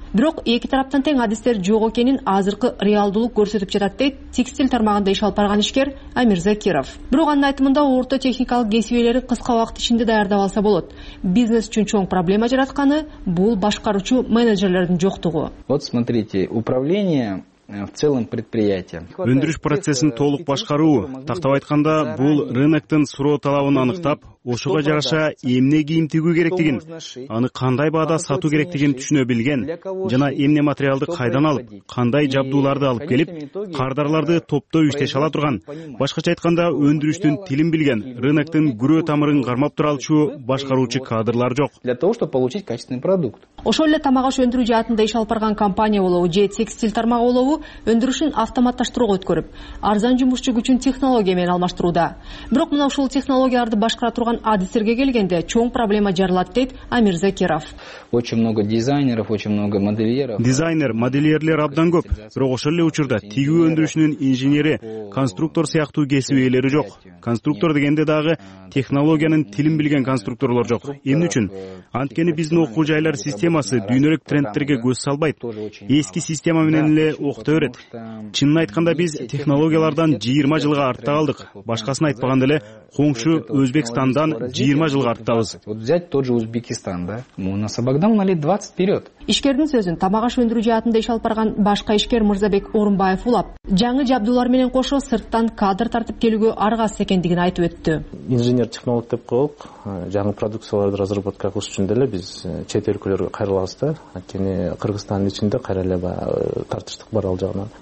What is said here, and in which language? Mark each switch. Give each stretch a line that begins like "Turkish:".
Kyrgyz: Бирок эки тараптан тең адистер жок экенин азыркы реалдуулук көрсөтүп жатат, дейт текстиль тармагында иш алып барган ишкер Амир Закиров. Бирок анын айтымында орто техникалык кесип ээлери кыска убакыт ичинде даярдап алса болот. Бизнес үчүн чоң проблема жаратканы бул башкаруучу менеджерлердин жоктугу.
Russian: Вот смотрите, управление в целом предприятием.
Kyrgyz: Өндүрүш процессин толук башкаруу, тактап айтканда, бул рыноктун суроо талабын аныктап, ошого жараша эмне кийим тигүү керектигин, аны кандай баада сатуу керектигин түшүнө билген жана эмне материалды кайдан алып, кандай жабдууларды алып келип, кардарларды топтоп иштеше ала турган, башкача айтканда, өндүрүштүн тилин билген, рыноктун күрөө тамырын кармап тура алчу башкаруучу кадрлар жок.
Russian: Для того, чтобы получить качественный продукт.
Kyrgyz: Ошол эле тамак аш өндүрүү жаатында иш алып барган компания болобу же текстиль тармагы болобу, өндүрүшүн автоматташтырууга өткөрүп, арзан жумушчу күчүн технология менен алмаштырууда. Бирок мына ушул технологияларды башкара турган адистерге келгенде чоң проблема жарылат, дейт Амир Закиров.
Russian: Очень много дизайнеров, очень много модельеров.
Kyrgyz: Дизайнер, модельерлер абдан көп, бирок ошол эле учурда тигүү өндүрүшүнүн инженери, конструктор сыяктуу кесип ээлери жок. Конструктор дегенде дагы технологиянын тилин билген конструкторлор жок. Эмне үчүн? Анткени биздин окуу жайлар системасы дүйнөлүк трендтерге көз салбайт. Эски система менен эле окутат. көрсөтө берет. Чынын айтканда биз технологиялардан 20 жылга артта калдык. Башкасын айтпаган деле, коңшу Өзбекстандан 20 жылга арттабыз.
Russian: Вот взять тот же Узбекистан, да? Мы на Сабагдам на лет 20 вперед.
Kyrgyz: Ишкердин сөзүн тамагаш өндүрүү жаатында иш алып барган башка ишкер Мырзабек Орунбаев улап, жаңы жабдуулар менен кошо сырттан кадр тартып келүүгө аргасыз экендигин айтып өттү. Инженер технолог деп коюп, жаңы продукцияларды разработка кылыш үчүн деле биз чет өлкөлөргө кайрылабыз да. Анткени Кыргызстандын ичинде кайра эле тартыштык бар ал жагынан.